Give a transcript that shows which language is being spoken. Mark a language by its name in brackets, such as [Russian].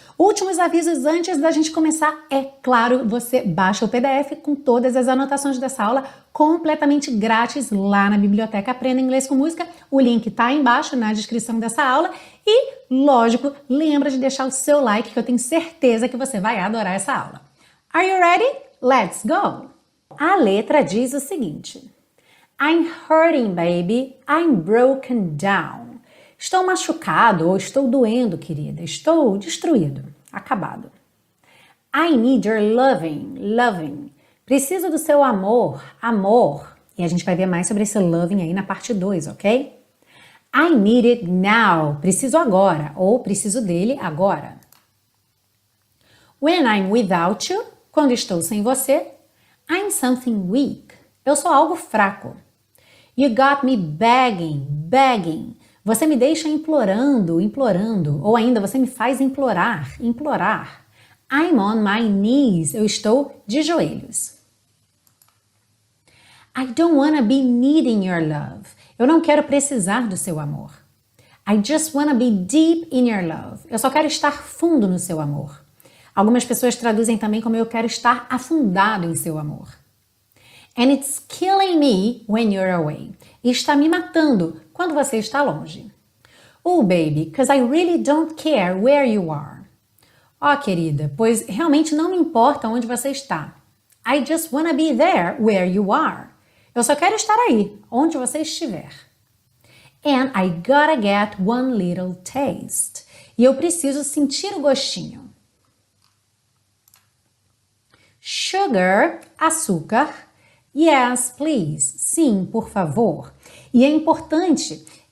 [Portuguese] Últimos avisos antes da gente começar, é claro, você baixa o PDF com todas as anotações dessa aula completamente grátis lá na biblioteca Aprenda Inglês com Música, o link está aí embaixo na descrição dessa aula e, lógico, lembra de deixar o seu like que eu tenho certeza que você vai adorar essa aula. [English] Are you ready? Let's go! [Portuguese] A letra diz o seguinte: [English] I'm hurting, baby. I'm broken down. [Portuguese] Estou machucado ou estou doendo, querida. Estou destruído, acabado. [English] I need your loving, loving. [Portuguese] Preciso do seu amor, amor. E a gente vai ver mais sobre esse loving aí na parte 2, ok? [English] I need it now. [Portuguese] Preciso agora ou preciso dele agora. [English] When I'm without you. [Portuguese] Quando estou sem você, [English] I'm something weak, [Portuguese] eu sou algo fraco. [English] You got me begging, begging, [Portuguese] você me deixa implorando, implorando, ou ainda você me faz implorar, implorar. [English] I'm on my knees, [Portuguese] eu estou de joelhos. [English] I don't wanna be needing your love, [Portuguese] eu não quero precisar do seu amor. [English] I just wanna be deep in your love, [Portuguese] eu só quero estar fundo no seu amor. Algumas pessoas traduzem também como eu quero estar afundado em seu amor. [English] And it's killing me when you're away. [Portuguese] E está me matando quando você está longe. [English] Oh, baby, 'cause I really don't care where you are. [Portuguese] Oh, querida, pois realmente não me importa onde você está. [English] I just wanna be there where you are. [Portuguese] Eu só quero estar aí, onde você estiver. [English] And I gotta get one little taste. [Portuguese] E eu preciso sentir o gostinho. Sugar, açúcar. [English] Yes, please. [Portuguese] Sim, por favor. E é importante